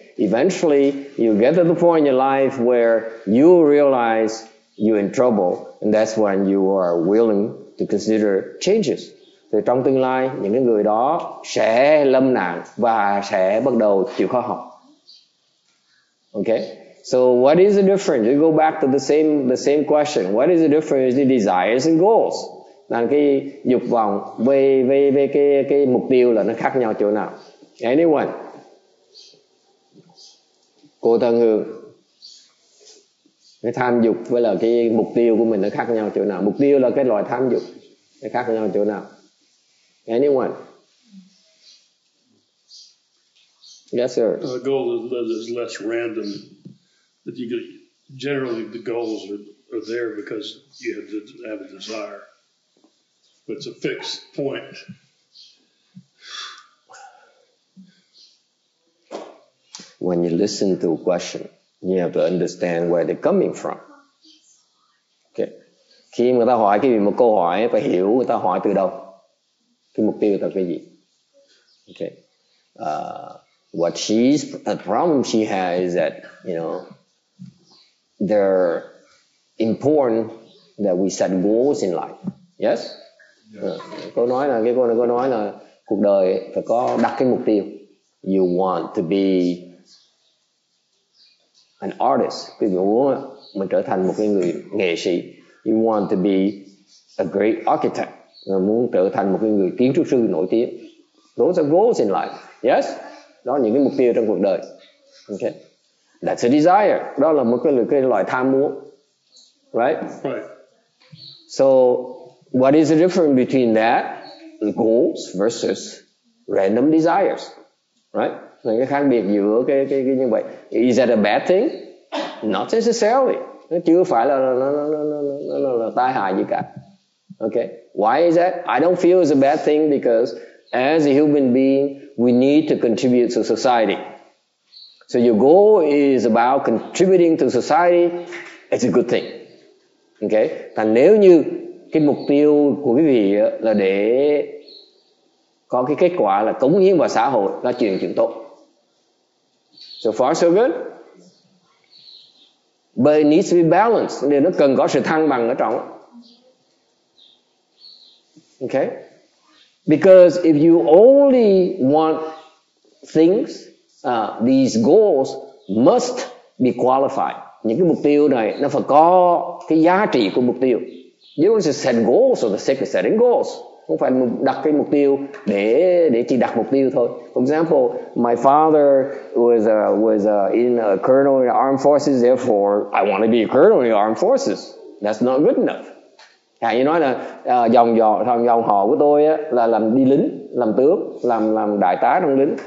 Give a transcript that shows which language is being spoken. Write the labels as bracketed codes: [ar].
[en] Eventually you get to the point in your life where you realize you're in trouble, and that's when you are willing to consider changes. [vi] Thì trong tương lai những cái người đó sẽ lâm nạn và sẽ bắt đầu chịu khó học. [en] Okay. So what is the difference? We go back to the same question. What is the difference between desires and goals? [vi] Là cái dục vọng về cái mục tiêu là nó khác nhau chỗ nào? [en] Anyone? [vi] Cô Tân Hương. Cái tham dục với là cái mục tiêu của mình nó khác nhau chỗ nào? Mục tiêu là cái loại tham dục. Nó khác nhau chỗ nào? [en] Anyone? Yes, sir. The goal is less random. That you get, generally the goals are there because you have a desire, but it's a fixed point. When you listen to a question, you have to understand where they're coming from. Okay. [vi] Khi người ta hỏi cái gì một câu hỏi phải hiểu người ta hỏi từ đâu, cái mục tiêu là cái gì. [en] Okay. What she's a problem she has is that, you know, they're important that we set goals in life. Yes? Yeah. [vi] Cô nói là cái cô nói là cuộc đời phải có đặt cái mục tiêu. [en] You want to be an artist. [vi] Ví dụ mình trở thành một cái người nghệ sĩ. [en] You want to be a great architect. [vi] Mình muốn trở thành một cái người kiến trúc sư nổi tiếng. [en] Those are goals in life. Yes? [vi] Đó là những cái mục tiêu trong cuộc đời. [en] Okay. That's a desire. [vi] Đó là một cái loại tham muốn. [en] Right? Right. So, what is the difference between that goals versus random desires? Right? [vi] Là cái khác biệt giữa cái như vậy. [en] Is that a bad thing? Not necessarily. [vi] Nó chưa phải là tai hại gì cả. [en] Okay? Why is that? I don't feel it's a bad thing because as a human being, we need to contribute to society. So your goal is about contributing to society. It's a good thing. Okay? [vi] Thành nếu như cái mục tiêu của quý vị là để có cái kết quả là cống hiến vào xã hội, là chuyện tốt. [en] So far so good. But it needs to be balanced. [vi] Nên nó cần có sự thăng bằng ở trong. [en] Okay? Because if you only want things these goals must be qualified. [vi] Những cái mục tiêu này nó phải có cái giá trị của mục tiêu. [en] You don't just set goals or the sake of setting goals. [vi] Không phải đặt cái mục tiêu để chỉ đặt mục tiêu thôi. [en] For example, my father was in a colonel in the armed forces. Therefore, I want to be a colonel in the armed forces. That's not good enough. [vi] Hãy như nói là dòng họ của tôi á, là làm đi lính, làm tướng, làm đại tá trong lính.